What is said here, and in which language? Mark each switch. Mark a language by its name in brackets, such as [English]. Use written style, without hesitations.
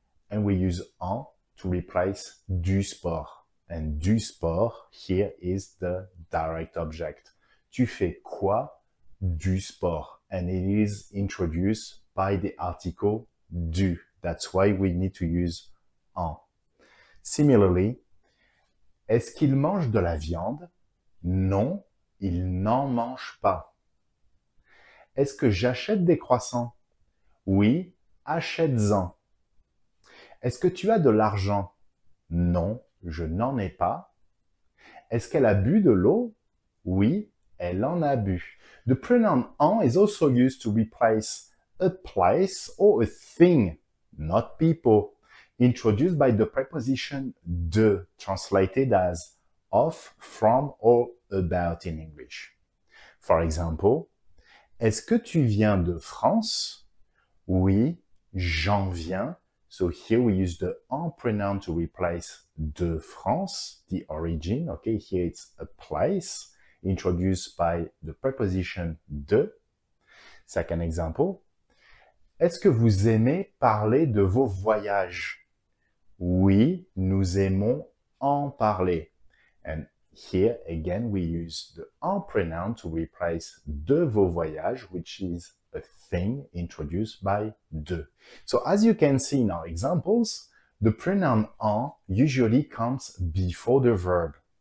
[English] And we use en to replace [French] du sport. [English] And du sport, here is the direct object. [French] Tu fais quoi? Du sport. [English] And it is introduced by the article du. That's why we need to use en. Similarly, [French] est-ce qu'il mange de la viande? Non, il n'en mange pas. Est-ce que j'achète des croissants? Oui, achète-en. Est-ce que tu as de l'argent? Non, je n'en ai pas. Est-ce qu'elle a bu de l'eau? Oui, elle en a bu. [English] The pronoun en is also used to replace a place or a thing, not people, introduced by the preposition de, translated as of, from, or about in English. For example, [French] est-ce que tu viens de France? Oui, j'en viens. [English] So here we use the en pronoun to replace [French] de France, [English] the origin. Okay, here it's a place introduced by the preposition de. Second example. [French] Est-ce que vous aimez parler de vos voyages? Oui, nous aimons en parler. [English] And here again, we use the en pronoun to replace [French] de vos voyages, [English] which is a thing introduced by de. So as you can see in our examples, the pronoun en usually comes before the verb.